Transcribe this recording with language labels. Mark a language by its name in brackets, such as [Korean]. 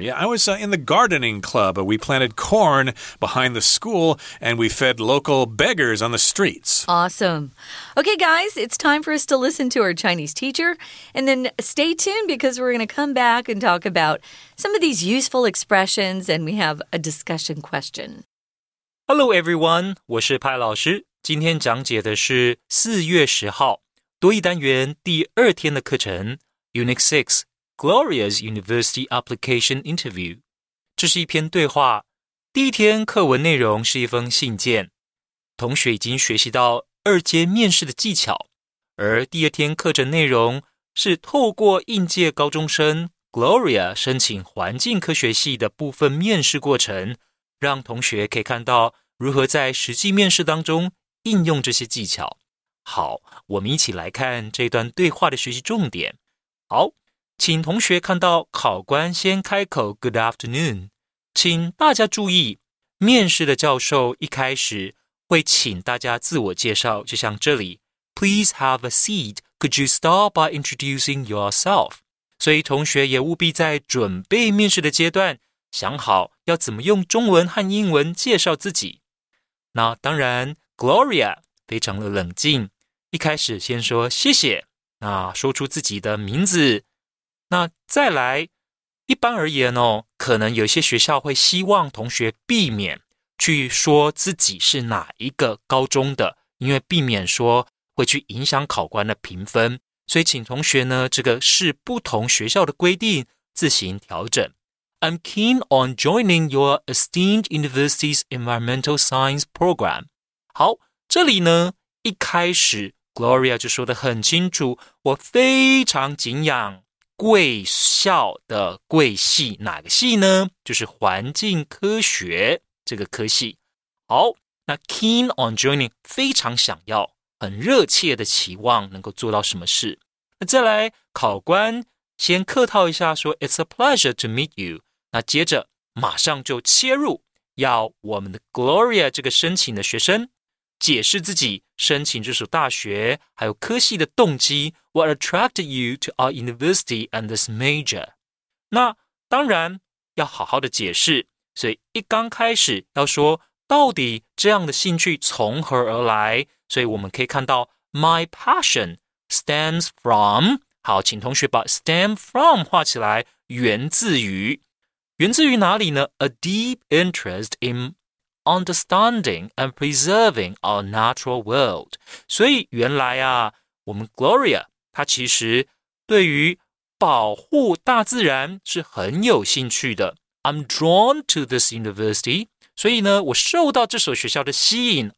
[English] Yeah, I was in the gardening club. We planted corn behind the school, and we fed local beggars on the streets. Awesome. Okay, guys, it's time for us to listen to our Chinese teacher, and then stay tuned because we're going to come back and talk about some of these useful expressions, and we have a discussion question. Hello, everyone. [Chinese] 我是派老师。今天讲解的是4月10号多益单元第二天的课程 [English] Unit 6 Gloria's University Application Interview。 [Chinese] 这是一篇对话。第一天课文内容是一封信件。同学已经学习到二阶面试的技巧。而第二天课程内容是透过应届高中生 Gloria 申请环境科学系的部分面试过程，让同学可以看到如何在实际面试当中应用这些技巧。好，我们一起来看这段对话的学习重点。好，请同学看到考官先开口 [English] Good afternoon。 [Chinese] 请大家注意，面试的教授一开始会请大家自我介绍，就像这里 [English] Please have a seat. Could you start by introducing yourself? [Chinese] 所以同学也务必在准备面试的阶段想好要怎么用中文和英文介绍自己。那当然 Gloria 非常的冷静，一开始先说谢谢，那说出自己的名字。那再来，一般而言哦，可能有些学校会希望同学避免去说自己是哪一个高中的，因为避免说会去影响考官的评分，所以请同学呢，这个是不同学校的规定，自行调整。 [English] I'm keen on joining your esteemed university's environmental science program. [Chinese] 好，这里呢一开始 Gloria 就说得很清楚，我非常敬仰贵校的贵系，哪个系呢？就是环境科学这个科系。好，那 [English] keen on joining [Chinese] 非常想要，很热切的期望能够做到什么事。那再来，考官先客套一下说 [English] It's a pleasure to meet you。 [Chinese] 那接着马上就切入要我们的 Gloria 这个申请的学生解释自己申请这所大学还有科系的动机。 What attracted you to our university and this major? 那当然要好好的解释，所以一刚开始要说到底这样的兴趣从何而来，所以我们可以看到 [English] My passion stems from。 [Chinese] 好，请同学把 [English] stem from [Chinese] 画起来，源自于，源自于哪里呢？ [English] A deep interest inunderstanding and preserving our natural world. [Chinese] 所以原来啊，我们 Gloria 她其实对于保护大自然是很有兴趣的。 [English] I'm drawn to this university. [Chinese] 所以呢，我受到这所学校的吸引。